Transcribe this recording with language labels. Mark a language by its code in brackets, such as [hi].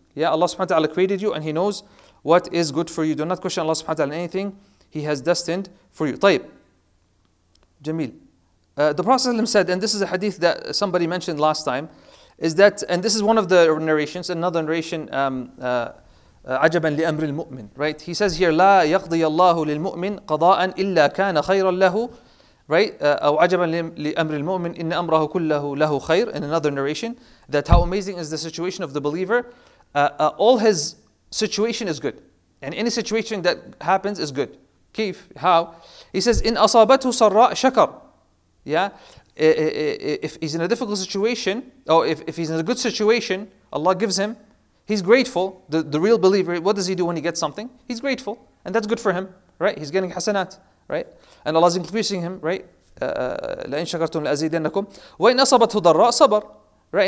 [en] Yeah, Allah subhanahu wa ta'ala created you and he knows what is good for you. Do not question Allah subhanahu wa ta'ala anything he has destined for you. [ar] طيب, جميل. [en] The Prophet said, and this is a hadith that somebody mentioned last time, is that, and this is one of the narrations, another narration, [ar] عَجَبًا لِأَمْرِ الْمُؤْمِنِ, [en] right? He says here, [ar] لَا يَقْضِيَ اللَّهُ لِلْمُؤْمِنِ قَضَاءً إِلَّا كَانَ خَيْرًا لَهُ, [en] right? [ar] أَوْ عَجَبًا لِأَمْرِ الْمُؤْمِنِ إِنَّ أَمْرَهُ كُلَّهُ لَهُ خَيْرٌ, [en] in another narration, that how amazing is the situation of the believer. All his situation is good. And any situation that happens is good. [ar] كيف? [en] How? [ar] He says, إِنْ أَصَابَتُهُ سَرَّاءُ شَكَرْ. [en] Yeah? If he's in a difficult situation, or if he's in a good situation, Allah gives him, he's grateful. The real believer, what does he do when he gets something? He's grateful. And that's good for him. Right? He's getting hasanat. Right? And Allah is increasing him. Right? [ar] لَإِنْ شَكَرْتُمْ لَأَزِيدَنَّكُمْ وَإِنْ أَصَابَتْهُ ضَرَّاءُ صَبَرْ. Right?